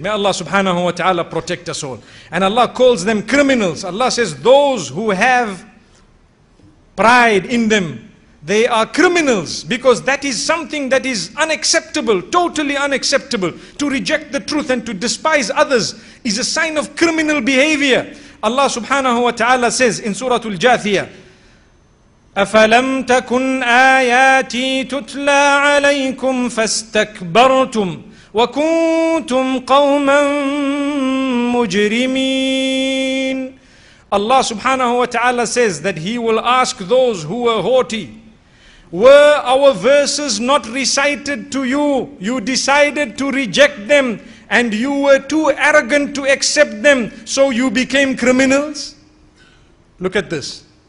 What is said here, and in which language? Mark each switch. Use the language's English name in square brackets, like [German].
[English] May Allah subhanahu wa ta'ala protect us all. And Allah calls them criminals. Allah says those who have pride in them, they are criminals, because that is something that is unacceptable, totally unacceptable. To reject the truth and to despise others is a sign of criminal behavior. Allah subhanahu wa ta'ala says in Surah Al-Jathiyah, [Arabic] أَفَلَمْ تَكُنْ آيَاتِي تُتْلَى عَلَيْكُمْ فَاسْتَكْبَرْتُمْ وَكُنْتُمْ قَوْمًا مُجْرِمِينَ. [English] Allah subhanahu wa ta'ala says that he will ask those who were haughty, were our verses not recited to you, you decided to reject them and you were too arrogant to accept them, so you became criminals? Look at this.